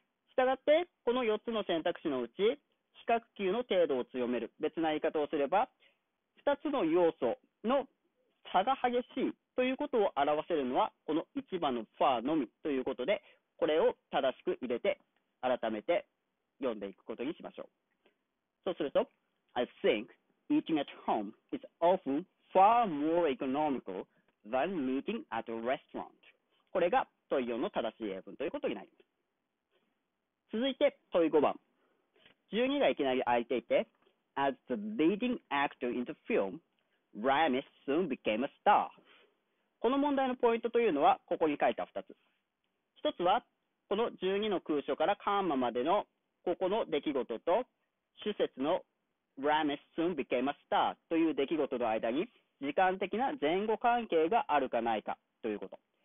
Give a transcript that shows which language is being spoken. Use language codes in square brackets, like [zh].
[ja] したがって、この4つの選択肢のうち、比較級の程度を強める、別な言い方をすれば、2つの要素の差が激しいということを表せるのは、この1番のファーのみということで、これを正しく入れて、改めて読んでいくことにしましょう。そうすると、 [en] I think eating at home is often far more economical than meeting at a restaurant. [ja] これが問い4の正しい英文ということになります。続いて問い5番。 12がいきなり空いていて、 [en] As the leading actor in the film, Ramis soon became a star. [ja] この問題のポイントというのは、ここに書いた2つ。 1つは、この12の空所からカンマまでのここの出来事と、主節の [en] Ramis soon became a star [ja] という出来事の間に時間的な前後関係があるかないかということ。